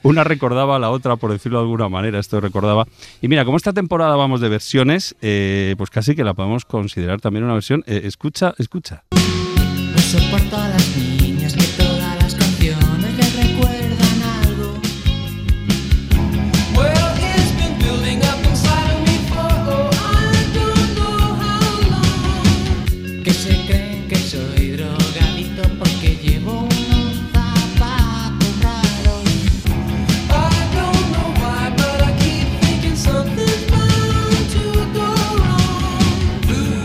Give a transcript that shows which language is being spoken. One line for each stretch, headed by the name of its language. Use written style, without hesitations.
Spanish: Una recordaba a la otra, por decirlo de alguna manera, esto recordaba. Y mira, como esta temporada vamos de versiones, pues casi que la podemos considerar también una versión. Escucha. No soporto a las niñas que todas las canciones les recuerdan algo.
English: Well, it's been building up inside of me for, oh, I don't know how long.
Spanish: Que se creen que soy drogadito porque llevo unos zapatos raros.
English: I don't know why, but I keep thinking something's bound to go wrong.